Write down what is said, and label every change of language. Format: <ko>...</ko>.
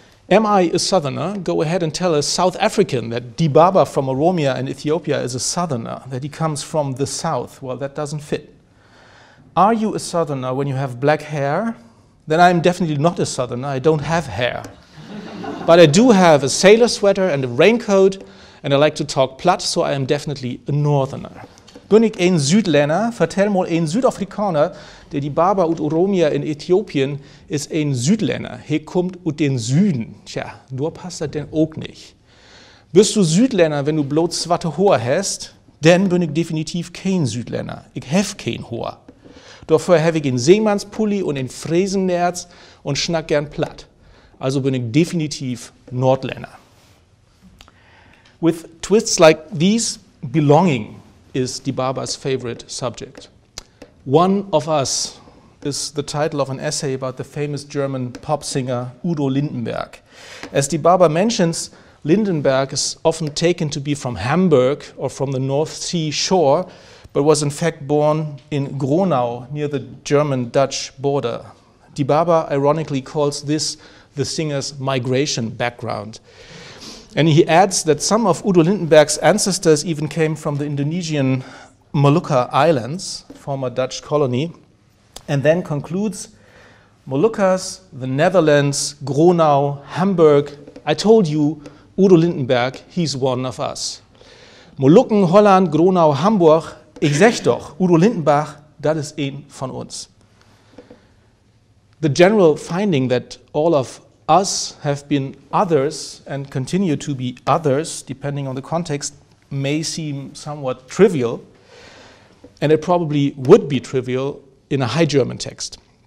<en>Am I a Southerner? Go ahead and tell a South African that Dibaba from Oromia in Ethiopia is a Southerner, that he comes from the South. Well, that doesn't fit. Are you a Southerner when you have black hair? Then I'm definitely not a Southerner. I don't have hair. But I do have a sailor sweater and a raincoat, and I like to talk platt, so I am definitely a Northerner.</en> <nds>Bin ich ein Südländer? Vertell mal ein Südafrikaner, der Dibaba und Oromia in Äthiopien ist ein Südländer. Er kommt aus den Süden. Tja, nur passt das denn auch nicht. Bist du Südländer, wenn du bloß zwarte Haare hast? Dann bin ich definitiv kein Südländer. Ich hef kein Haar. Dafür habe ich einen Seemannspulli und ein Fräsennerz und schnack gern platt. Also bin ich definitiv Nordländer.</nds> <en>With twists like these, belonging is Dibaba's favorite subject. One of Us is the title of an essay about the famous German pop singer Udo Lindenberg. As Dibaba mentions, Lindenberg is often taken to be from Hamburg or from the North Sea shore, but was in fact born in Gronau near the German-Dutch border. Dibaba ironically calls this the singer's migration background. And he adds that some of Udo Lindenberg's ancestors even came from the Indonesian Molucca Islands, former Dutch colony, and then concludes, Moluccas, the Netherlands, Gronau, Hamburg, I told you, Udo Lindenberg, he's one of us.</en> <nds>Molukken, Holland, Gronau, Hamburg, ich sech doch, Udo Lindenberg, das ist ein von uns.</nds> <en>The general finding that all of us have been others and continue to be others, depending on the context, may seem somewhat trivial, and it probably would be trivial in a High German text.</en>